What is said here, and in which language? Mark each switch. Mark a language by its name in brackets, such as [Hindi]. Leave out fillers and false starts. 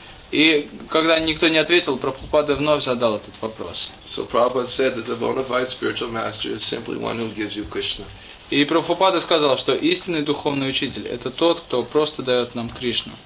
[Russian] И когда никто не ответил, Прабхупада вновь задал этот вопрос. [English] So Prabhupada said that the bona fide spiritual master is simply one who gives you Krishna. [Russian] И Прабхупада сказал, что истинный духовный учитель — это тот, кто просто дает нам Кришну.